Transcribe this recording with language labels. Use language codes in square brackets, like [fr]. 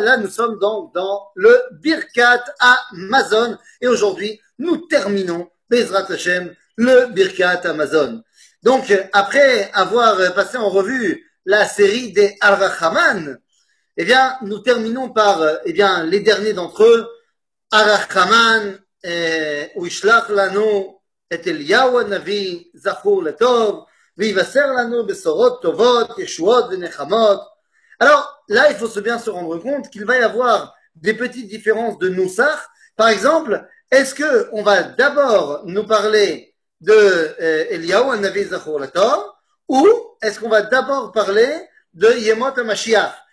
[fr] Là nous sommes donc dans le Birkat Amazon, et aujourd'hui nous terminons Bezrat Hashem le Birkat Amazon. Donc après avoir passé en revue la série des Arachaman, eh bien nous terminons par les derniers d'entre eux, Arachaman. [he] וישלח לנו את אליהו הנביא זכור לטוב ויבשר לנו בשורות טובות ישועות ונחמות. [fr] Alors là il faut se bien se rendre compte qu'il va y avoir des petites différences de nousach. Par exemple, est-ce que on va d'abord nous parler de Eliyahu Hanavi zachor latov, ou est-ce qu'on va d'abord parler de Yemot HaMashiach?